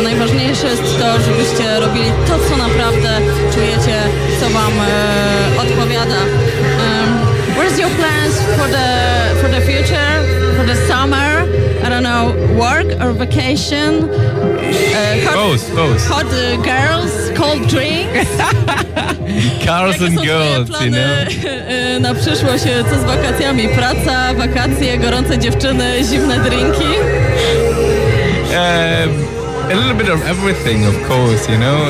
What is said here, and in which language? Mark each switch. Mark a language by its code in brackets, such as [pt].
[pl] Najważniejsze jest to, żebyście robili to, co naprawdę czujecie, co wam odpowiada. [en] What is your plans for the future, for the summer? I don't know, work or vacation? Both. Hot girls, cold drinks? Girls and girls, [pl] plany, [en] you know? [pl] Na przyszłość, co z wakacjami? Praca, wakacje, gorące dziewczyny, zimne drinki? [en] A little bit of everything, of course, you know?